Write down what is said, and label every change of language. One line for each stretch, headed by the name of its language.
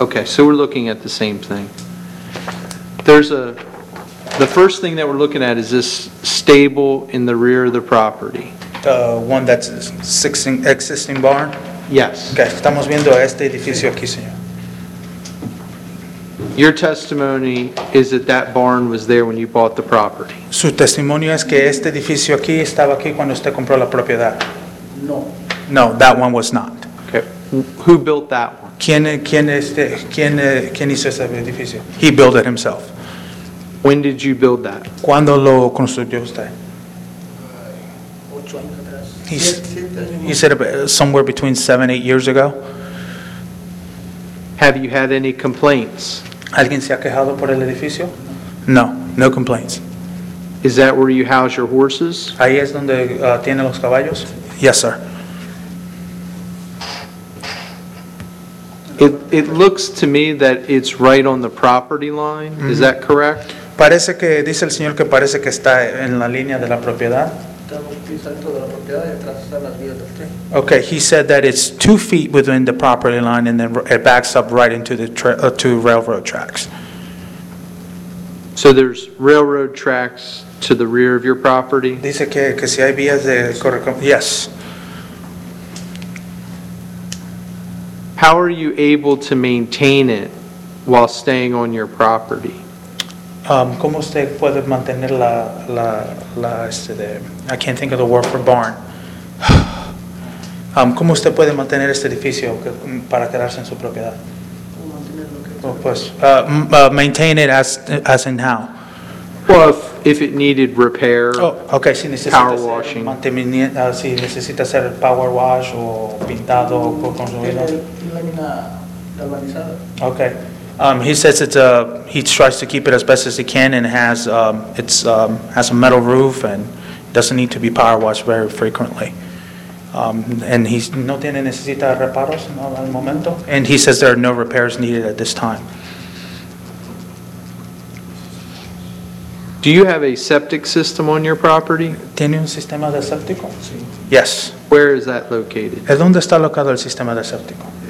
English: Okay, so we're looking at the same thing. There's a, the first thing that we're looking at is this stable in the rear of the property. The one that's existing barn? Yes.
Spanish: Okay, estamos viendo este edificio aquí, señor.
English: Your testimony is that that barn was there when you bought the property.
Spanish: Su testimonio es que este edificio aquí estaba aquí cuando usted compró la propiedad.
English: No. No, that one was not. Okay. Who built that one?
Spanish: ¿Quién hizo ese edificio?
English: He built it himself. When did you build that?
Spanish: ¿Cuándo lo construyó usted? 8 años atrás.
English: He said somewhere between 7-8 years ago. Have you had any complaints?
Spanish: ¿Alguien se ha quejado por el edificio?
English: No, no complaints. Is that where you house your horses?
Spanish: Ahí es donde tiene los caballos.
English: Yes, sir. It looks to me that it's right on the property line. Mm-hmm. Is that correct?
Spanish: Parece que dice el señor que parece que está en la línea de la propiedad.
English: Okay, he said that it's 2 feet within the property line and then it backs up right into the to railroad tracks. So there's railroad tracks to the rear of your property?
Spanish: Dice que si hay vías de
English: yes. How are you able to maintain it while staying on your property?
Spanish: ¿Cómo usted puede mantener la este de,
English: I can't think of the word for barn.
Spanish: ¿Cómo usted puede mantener este edificio para quedarse en su propiedad?
English: Maintain it as in how? Well, if it needed repair, oh, okay,
Spanish: si necesita
English: power washing.
Spanish: Si necesita hacer power wash o pintado o construido.
English: Okay. He says it's a. He tries to keep it as best as he can, and has it's has a metal roof and doesn't need to be power washed very frequently. And he's
Spanish: no tiene necesita reparos no, al momento.
English: And he says there are no repairs needed at this time. Do you have a septic system on your property?
Spanish: ¿Tiene un sistema de séptico? Sí.
English: Yes. Where is that located?
Spanish: ¿Es donde está locado el sistema de séptico?